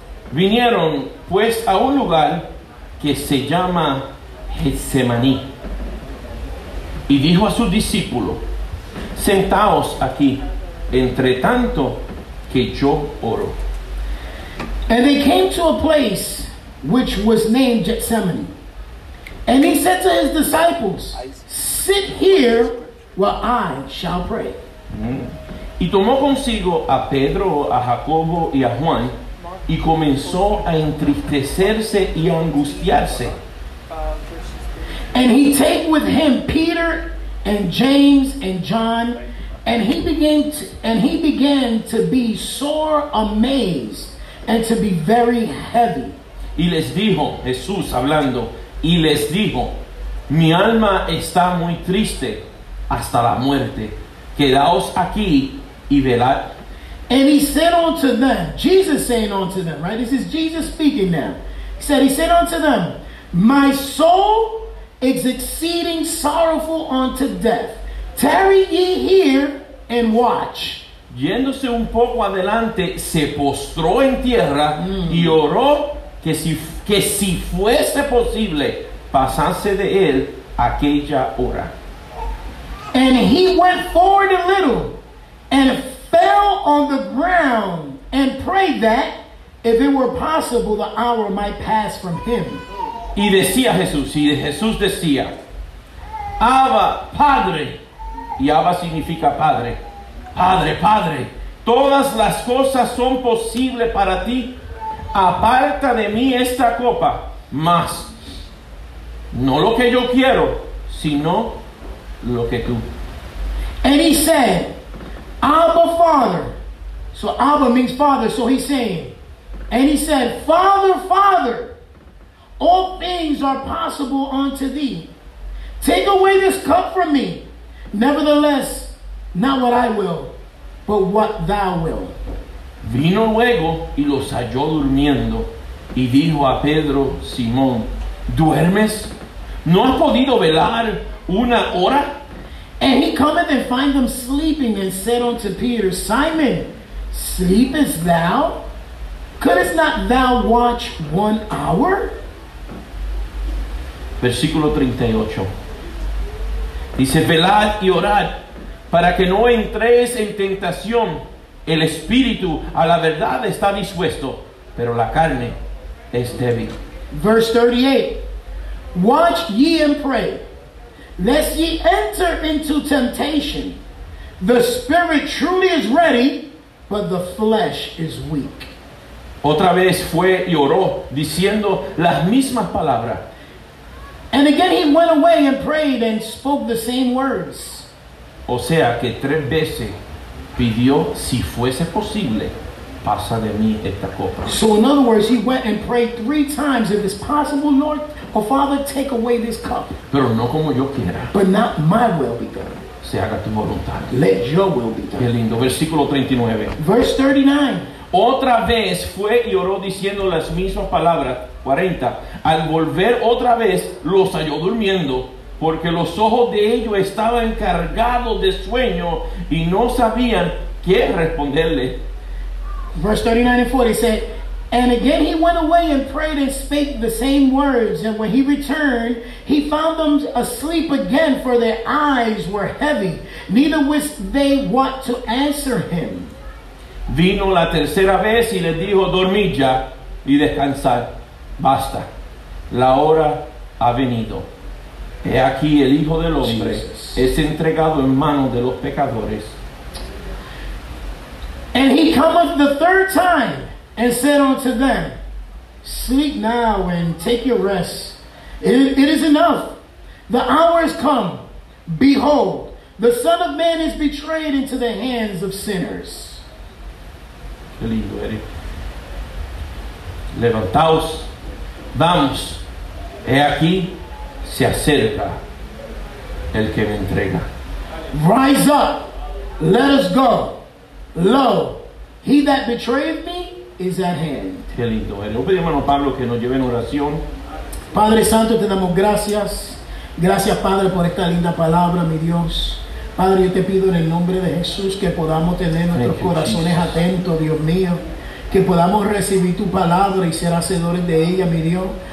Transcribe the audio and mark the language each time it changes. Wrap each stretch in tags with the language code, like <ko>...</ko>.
<es>Vinieron pues a un lugar que se llama Getsemaní. Y dijo a sus discípulos: sentaos aquí, entre tanto que yo oro.</es> <en>And they came to a place which was named Gethsemane. And he said to his disciples, sit here while I shall pray.</en> <es>Y tomó consigo a Pedro, a Jacobo y a Juan, y comenzó a entristecerse y a angustiarse.</es> <en>And he take with him Peter and James and John, and he began to be sore amazed and to be very heavy.</en> <es>Y les dijo, Jesús hablando, y les dijo, mi alma está muy triste hasta la muerte. Quedaos aquí y velad.</es> <en>And he said unto them, Jesus saying unto them, right? This is Jesus speaking now. He said unto them, my soul is exceeding sorrowful unto death. Tarry ye here and watch.</en> <es>Yéndose un poco adelante, se postró en tierra y oró que si fuese posible, pasase de él aquella hora.</es> <en>And he went forward a little and fell on the ground and prayed that, if it were possible, the hour might pass from him.</en> <es>Y decía Jesús, y Jesús decía, Abba, Padre, y Abba significa Padre. Padre, Padre, todas las cosas son posibles para ti. Aparta de mí esta copa, mas no lo que yo quiero, sino lo que tú.</es> <en>And he said, Abba, Father. So Abba means Father, so he's saying. And he said, Father, Father, all things are possible unto thee. Take away this cup from me. Nevertheless, not what I will, but what thou will.</en> <es>Vino luego y los halló durmiendo, y dijo a Pedro, Simón, ¿duermes? ¿No has podido velar una hora?</es> <en>And he cometh and find them sleeping, and said unto Peter, Simon, sleepest thou? Couldest not thou watch one hour?</en> <es>Versículo 38. Dice, velad y orad, para que no entréis en tentación. El espíritu a la verdad está dispuesto, pero la carne es débil.</es> <en>Verse 38. Watch ye and pray, lest ye enter into temptation. The spirit truly is ready, but the flesh is weak.</en> <es>Otra vez fue y oró, diciendo las mismas palabras.</es> <en>And again he went away and prayed and spoke the same words.</en> <es>O sea que tres veces pidió, si fuese posible, pasa de mí esta copa.</es> <en>So in other words, he went and prayed three times, if it's possible, Lord or Father, take away this cup.</en> <es>Pero no como yo quiera.</es> <en>But not my will be done.</en> <es>Se haga tu voluntad.</es> <en>Let your will be done.</en> <es>Qué lindo. Versículo 39.</es> <en>Verse 39.</en> <es>Otra vez fue y oró diciendo las mismas palabras. 40. Al volver otra vez, los halló durmiendo, porque los ojos de ellos estaban cargados de sueño y no sabían qué responderle.</es> <en>Verse 39 and 40 said, and again he went away and prayed and spake the same words. And when he returned, he found them asleep again, for their eyes were heavy, neither wist they what to answer him.</en> <es>Vino la tercera vez y les dijo, dormid ya y descansad. Basta, la hora ha venido. He aquí el Hijo del Hombre es entregado en manos de los pecadores.</es> <en>And he cometh the third time and said unto them, sleep now and take your rest. It is enough. The hour is come. Behold, the Son of Man is betrayed into the hands of sinners.</en> <es>Qué lindo, Eric. Levantaos, vamos. He aquí se acerca el que me entrega.</es> <en>Rise up. Let us go. Lo, he that betrayeth me is at hand.</en> <es>Qué lindo. Le pedimos a hermano Pablo que nos lleve en oración. Padre Santo, te damos gracias. Gracias, Padre, por esta linda palabra, mi Dios. Padre, yo te pido en el nombre de Jesús que podamos tener nuestros corazones atentos, Dios mío. Que podamos recibir tu palabra y ser hacedores de ella, mi Dios.</es>